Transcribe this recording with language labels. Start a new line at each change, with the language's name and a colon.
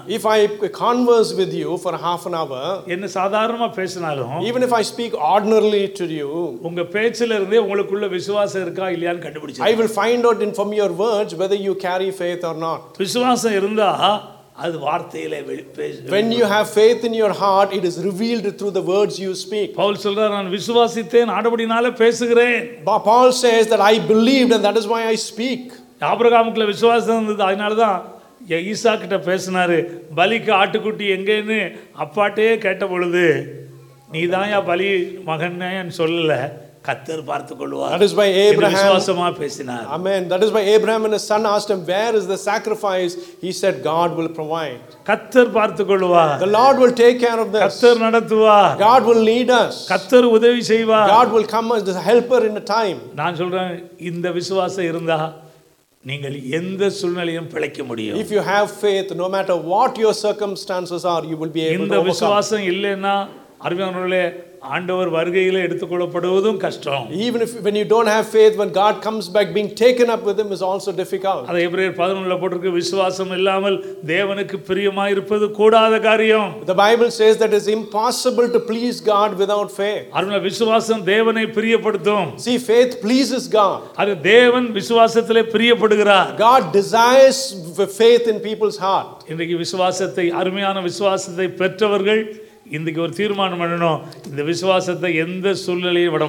English: if I converse with you for half an hour,
Tamil: என்ன சாதாரணமாக பேசினாலும்,
English: even if I speak ordinarily to you,
Tamil: உங்க பேச்சில இருந்தே உங்களுக்குள்ள விசுவாசம் இருக்கா இல்லையான்னு கண்டுபிடிச்சு,
English: I will find out in from your words whether you carry faith or not.
Tamil: விசுவாசம் இருந்தா அது வார்த்தையிலே வெளிப்படும்.
English: When you have faith in your heart, it is revealed through the words you speak.
Tamil: Paul சொல்றான், நான் விசுவாசித்தேன் ஆண்டவரினாலே பேசுகிறேன்.
English: Paul says that I believed and that is why I speak.
Tamil: ஆபிரகாமுக்குள்ள விசுவாசம் இருந்தது, அதனால தான் ஈசாக்கிட்ட பேசினாரு, பலிக்கு ஆட்டுக்குட்டி எங்கேன்னு அப்பாட்டே கேட்ட பொழுது, நீ தான் பலி மகன் சொல்லல, கர்த்தர் பார்த்து கொள்வார்.
English: That is why Abraham
Tamil: விசுவாசமா பேசினார்.
English: Amen. That is why Abraham and his son asked him, where is the sacrifice? He said, God will provide.
Tamil: கர்த்தர் பார்த்து கொள்வார்.
English: The Lord will take care of this.
Tamil: கர்த்தர் நடத்துவார்.
English: God will lead us.
Tamil: கர்த்தர் உதவி செய்வார்.
English: God will come as the helper in a time.
Tamil: நான் சொல்றேன், இந்த விசுவாசம் இருந்தா நீங்கள் எந்த சூழ்நிலையும் பிழைக்க முடியும்.
English: If you have faith, no matter what your circumstances are, you will be able to overcome.
Tamil: இந்த விசுவாசம் இல்லேனா அருமையானவர்களே, ஆண்டவர் வருகையில் எடுத்துக்கொள்ளப்படுவதும் கஷ்டம்.
English: Even if when you don't have faith, when God comes back, being taken up with him is also difficult.
Tamil: அதே எபிரேயர் 11ல போட்டிருக்கு, விசுவாசம் இல்லாமல் தேவனுக்கு பிரியமாய் இருப்பது கூடாத காரியம்.
English: The Bible says that is impossible to please God without faith.
Tamil: அருமை, விசுவாசம் தேவனை பிரியப்படுத்தும்.
English: See, faith pleases God.
Tamil: அது தேவன் விசுவாசத்திலே பிரியப்படுகிறார்.
English: God desires faith in people's heart.
Tamil: இன்றைக்கு விசுவாசத்தை, அருமையான விசுவாசத்தை பெற்றவர்கள் இன்றைக்கு ஒரு தீர்மானம் பண்ணணும், இந்த விசுவாசத்தை எந்த சூழ்நிலையும் விட